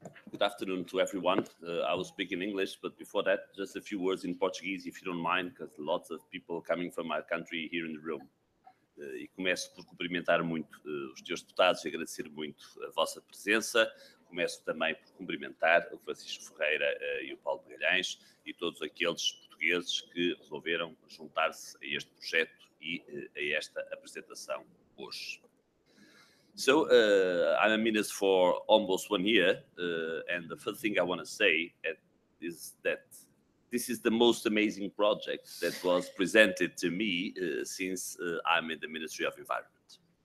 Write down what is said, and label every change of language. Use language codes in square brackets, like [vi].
[en] Good afternoon to everyone. I will speak in English, but before that, just a few words in Portuguese, if you don't mind, because lots of people coming from my country here in the room. [pt] E começo por cumprimentar muito os senhores deputados e agradecer muito a vossa presença. Começo também por cumprimentar o Francisco Ferreira e o Paulo Magalhães e todos aqueles portugueses que resolveram juntar-se a este projeto e a esta apresentação hoje. [en] So, I'm a minister for almost 1 year, and the first thing I want to say is that this is the most amazing project that was presented to me since I'm in the Ministry of Environment.